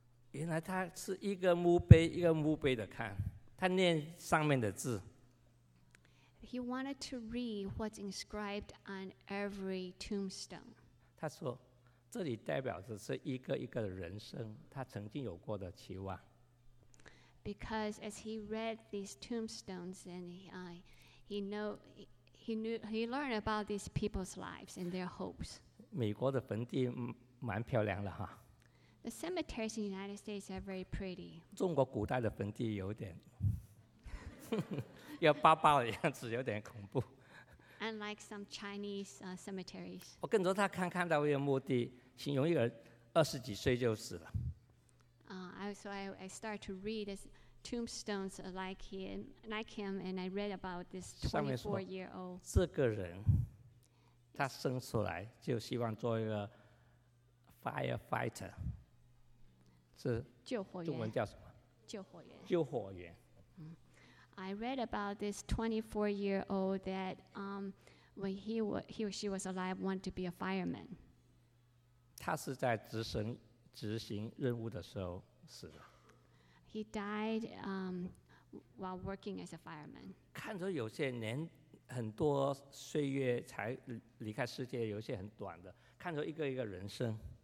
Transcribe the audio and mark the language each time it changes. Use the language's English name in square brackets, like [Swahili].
[Chinese] 原来他是一个墓碑一个墓碑的看，他念上面的字。 [English] He wanted to read what's inscribed on every tombstone. [Chinese] 他说，这里代表着是一个一个的人生，他曾经有过的期望。 [English] Because as he read these tombstones, and he learned about these people's lives and their hopes. [Chinese] 美国的坟地蛮漂亮的哈。 [English] The cemeteries in the United States are very pretty. [Chinese] 中国古代的坟地有点，要爆爆的样子，有点恐怖。 [English] Unlike some Chinese cemeteries. [Chinese] 我跟着他看到一个墓地，形容一个二十几岁就死了。 [English] So I start to read this tombstones like him, and I read about this 24-year-old. [Chinese] 这个人，他生出来就希望做一个 firefighter。是救火员，中文叫什么？救火员。救火员。 [English] I read about this 24-year-old that when he or she was alive wanted to be a fireman. [Chinese] 他是在执行任务的时候死的。 [English] He died while working as a fireman. [Chinese] 看着有些年很多岁月才离开世界，有些很短的，看着一个一个人生。